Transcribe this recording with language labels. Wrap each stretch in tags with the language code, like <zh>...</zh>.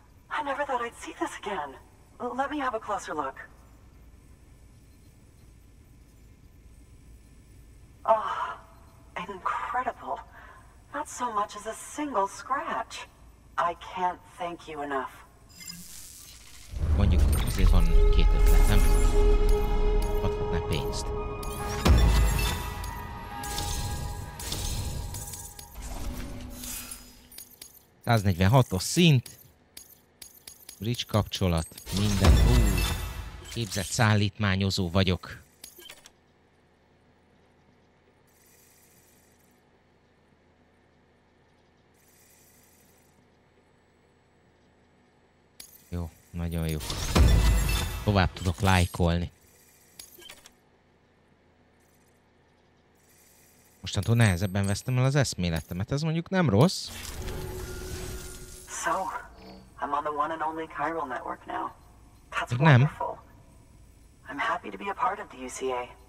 <en>I never thought I'd see this again. Let me have a closer look. Oh, incredible. Not so much as a single scratch. I can't thank you enough.</en> <hu>Mondjuk azért van két ötletem. Adhatná pénzt. ...146-os szint. Bridge kapcsolat. Minden. Hú, képzett szállítmányozó vagyok. Jó, nagyon jó. Tovább tudok lájkolni. Mostantól nehezebben vesztem el az eszméletemet. Ez mondjuk nem rossz.</hu> <en>So, I'm on the one and only chiral network now. That's wonderful.</en> <hu>Nem.</hu> <en>I'm happy to be a part of the UCA.</en>